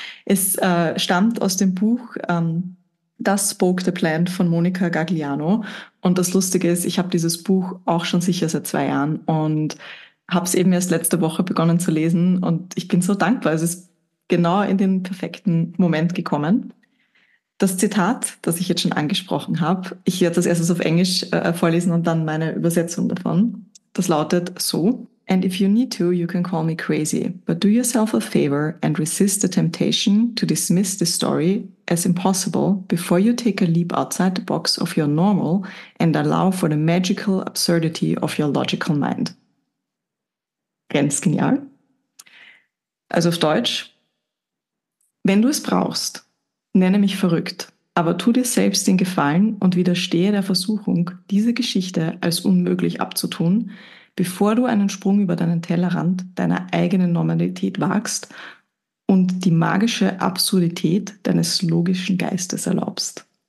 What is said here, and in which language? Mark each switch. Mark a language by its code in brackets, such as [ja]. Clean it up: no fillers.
[de] Es stammt aus dem Buch Das Spoke the Plant von Monica Gagliano, und das Lustige ist, ich habe dieses Buch auch schon sicher seit 2 Jahren und habe es eben erst letzte Woche begonnen zu lesen, und ich bin so dankbar, es ist genau in den perfekten Moment gekommen. Das Zitat, das ich jetzt schon angesprochen habe, ich werde das erstens auf Englisch vorlesen und dann meine Übersetzung davon. [en] Das lautet so: And if you need to, you can call me crazy, but do yourself a favor and resist the temptation to dismiss the story as impossible before you take a leap outside the box of your normal and allow for the magical absurdity of your logical mind. [de] Ganz genial. Also auf Deutsch: Wenn du es brauchst, nenne mich verrückt, aber tu dir selbst den Gefallen und widerstehe der Versuchung, diese Geschichte als unmöglich abzutun, bevor du einen Sprung über deinen Tellerrand deiner eigenen Normalität wagst und die magische Absurdität deines logischen Geistes erlaubst.